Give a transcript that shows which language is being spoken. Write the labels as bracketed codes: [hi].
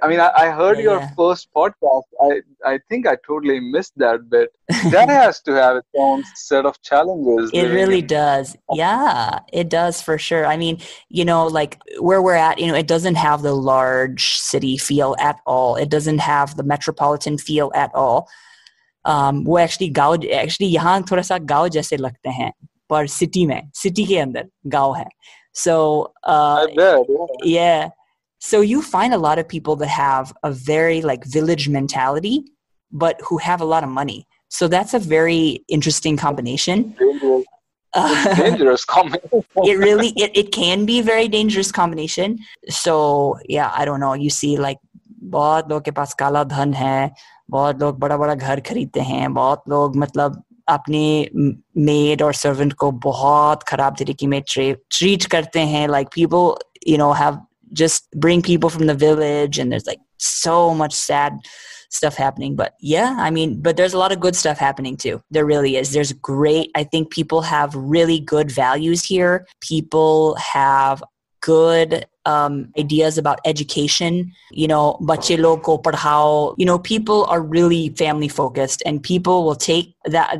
[en] I mean, I heard your first podcast. I think I totally missed that bit. That has to have its own set of challenges. It really does. Yeah, it does for sure. I mean, you know, like where we're at, you know, it doesn't have the large city feel at all. It doesn't have the metropolitan feel at all. [hi] वो actually गाँव, actually यहाँ थोड़ा सा गाँव जैसे लगते हैं। पर सिटी में, सिटी के अंदर गाँव है। [en] So, I bet. Yeah. So you find a lot of people that have a very like village mentality, but who have a lot of money. So that's a very interesting combination. Dangerous combination. It really, it can be a very dangerous combination. So yeah, I don't know. You see like, [hi] बहुत लोग के पास काला धन है, बहुत लोग बड़ा बड़ा घर खरीदते हैं, बहुत लोग मतलब अपने [en] maid or servant [hi] को बहुत खराब तरीके में treat करते हैं। [en] Like people, you know, have just bring people from the village and there's like so much sad stuff happening. But yeah, I mean, but there's a lot of good stuff happening too. There really is. There's great, I think people have really good values here. People have good ideas about education, you know, [hi] bache log ko padhao, [en] you know, people are really family focused and people will take that.